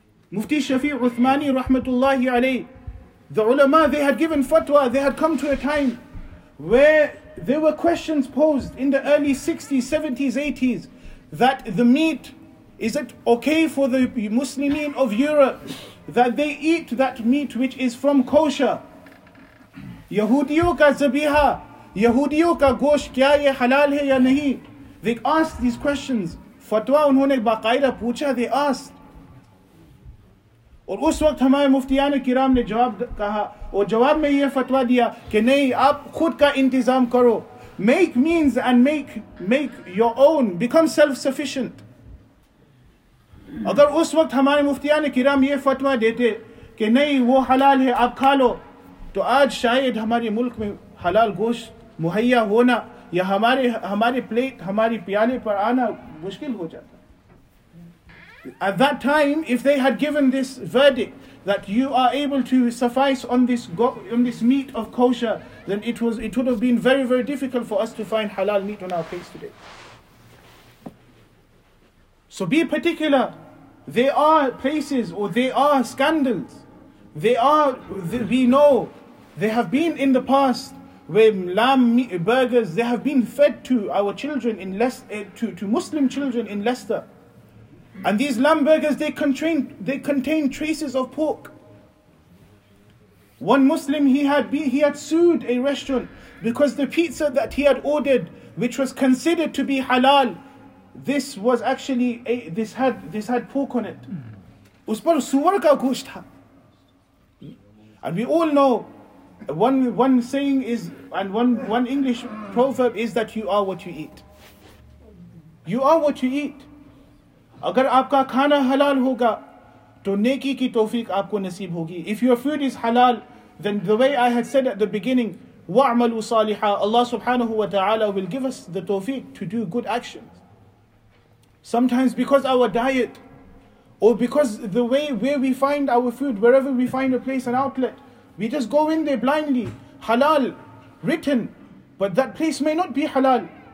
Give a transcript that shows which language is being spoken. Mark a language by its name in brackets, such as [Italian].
[English] Mufti Shafi Uthmani rahmatullahi alayhi. The ulama, they had given fatwa, they had come to a time where there were questions posed in the early 60s, 70s, 80s that the meat, is it okay for the Muslimin of Europe that they eat that meat which is from kosher? [Urdu] Yahudiyo ka zabiha, Yahudiyo ka gosh, kya ye halal hai ya nahi? [English] They asked these questions. [Urdu] Fatwa unhone baqaida pucha, [English] they asked. [Urdu] اور اس وقت ہمارے مفتیان کرام نے جواب کہا اور جواب میں یہ فتویٰ دیا کہ نہیں آپ خود کا انتظام کرو. [English] Make means and make your own, become self-sufficient. [Urdu] اگر اس وقت ہمارے مفتیان کرام یہ فتویٰ دیتے کہ نہیں وہ حلال ہے آپ کھا لو, تو آج شاید ہمارے ملک میں حلال گوشت مہیا ہونا یا ہمارے پلیٹ ہماری پیالے پر آنا مشکل ہو جاتا. [English] At that time, if they had given this verdict that you are able to suffice on this meat of kosher, then it would have been very, very difficult for us to find halal meat on our face today. So be particular. There are places or there are scandals. We know there have been in the past where lamb meat, burgers, they have been fed to our children in to Muslim children in Leicester. And these lamb burgers, they contain traces of pork. One Muslim, he had sued a restaurant because the pizza that he had ordered, which was considered to be halal, this was actually this had pork on it. [Urdu] Us par suar ka gosht tha. [English] And we all know one saying is, and one English proverb is that you are what you eat. You are what you eat. [Urdu] اگر آپ کا کھانا حلال ہوگا تو نیکی کی توفیق آپ کو نصیب ہوگی. [English] If your food is halal, then the way I had said at the beginning, [Arabic] وَعْمَلُوا صَالِحًا, [English] Allah subhanahu wa ta'ala will give us the توفیق to do good actions. Sometimes because our diet, or because the way where we find our food, wherever we find a place, an outlet, we just go in there blindly, halal, written, but that place may not be halal.